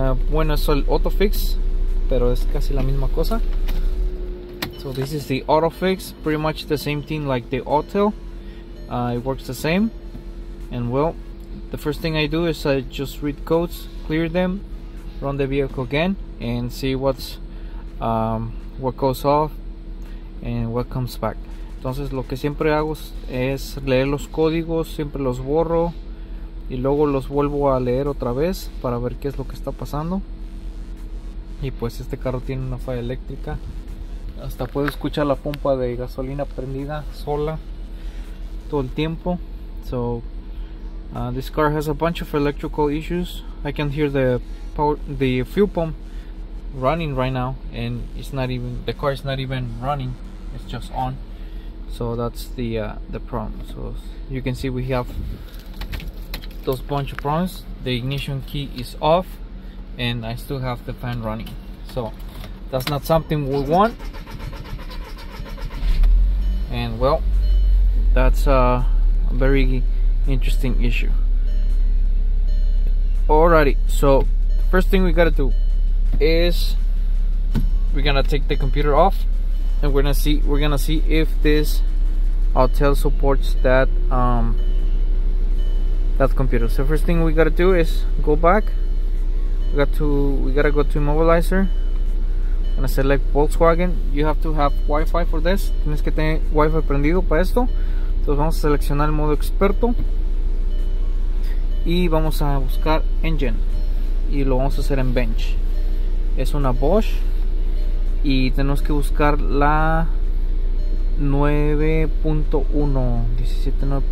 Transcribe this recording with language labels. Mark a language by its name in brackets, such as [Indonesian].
[Spanish] Bueno, es el autofix, pero es casi la misma cosa. [English] So this is the autofix, pretty much the same thing like the Autel. It works the same. And well, the first thing I do is I just read codes, clear them, run the vehicle again, and see what's what goes off and what comes back. [Spanish] Entonces lo que siempre hago es leer los códigos, siempre los borro y luego los vuelvo a leer otra vez para ver qué es lo que está pasando. Y pues este carro tiene una falla eléctrica. Hasta puedo escuchar la pompa de gasolina prendida sola todo el tiempo. [English] So this car has a bunch of electrical issues. I can hear the fuel pump running right now, and it's not even, the car is not even running, it's just on. So that's the problem. So you can see we have those bunch of problems. The ignition key is off and I still have the fan running, so that's not something we want. And well, that's a very interesting issue. Alrighty, so first thing we gotta do is we're gonna take the computer off, and we're gonna see if this Autel supports that that computer. So first thing we gotta do is go back. We gotta go to Immobilizer. I'm gonna select Volkswagen. You have to have Wi-Fi for this. [Spanish] Tienes que tener Wi-Fi prendido para esto. Entonces vamos a seleccionar el modo experto y vamos a buscar engine, y lo vamos a hacer en bench. Es una Bosch y tenemos que buscar la 9.1, 17.9.1.